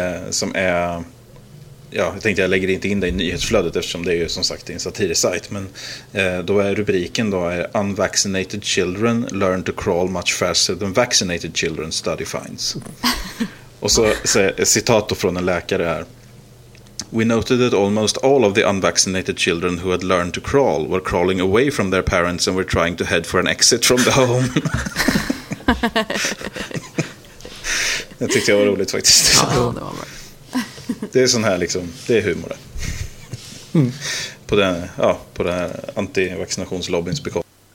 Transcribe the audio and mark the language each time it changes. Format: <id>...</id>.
<sv>Som är, ja, jag tänkte jag lägger inte in det i nyhetsflödet eftersom det är ju som sagt en satirsajt. Men då är rubriken då är</sv> <en>Unvaccinated children learn to crawl much faster than vaccinated children study finds.</en> <sv>Och så citat då från en läkare här.</sv> <en>We noted that almost all of the unvaccinated children who had learned to crawl were crawling away from their parents and were trying to head for an exit from the home.</en> <sv>Jag tyckte det var roligt faktiskt. Ja, det var bra. Det är sån här liksom, det är humor det. Mm. På den här antivaccinationslobbyns bekostnad.</sv>